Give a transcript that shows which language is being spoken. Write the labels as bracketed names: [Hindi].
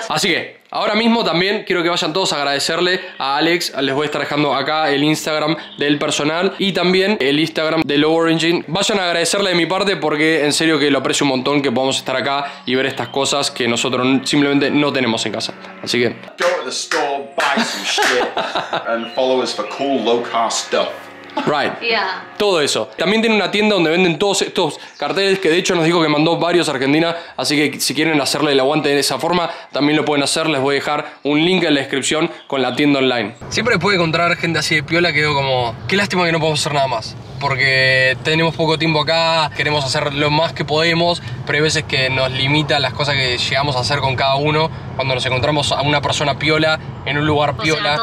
[Spanish] Así que ahora mismo también quiero que vayan todos a agradecerle a Alex. Les voy a estar dejando acá el Instagram del personal y también el Instagram de Lower Engine. Vayan a agradecerle de mi parte, porque en serio que lo aprecio un montón que podamos estar acá y ver estas cosas que nosotros simplemente no tenemos en casa. Así que [English] go to the store, buy some shit and follow us for cool low cost stuff. Right. Yeah. [Spanish] Todo eso. También tiene una tienda donde venden todos estos carteles, que de hecho nos dijo que mandó varios a Argentina. Así que si quieren hacerle el aguante de esa forma, también lo pueden hacer. Les voy a dejar un link en la descripción con la tienda online. Siempre puede encontrar gente así de piola que digo como, qué lástima que no podemos hacer nada más, porque tenemos poco tiempo acá, queremos hacer lo más que podemos, pero hay veces que nos limita las cosas que llegamos a hacer con cada uno cuando nos encontramos a una persona piola en un lugar piola.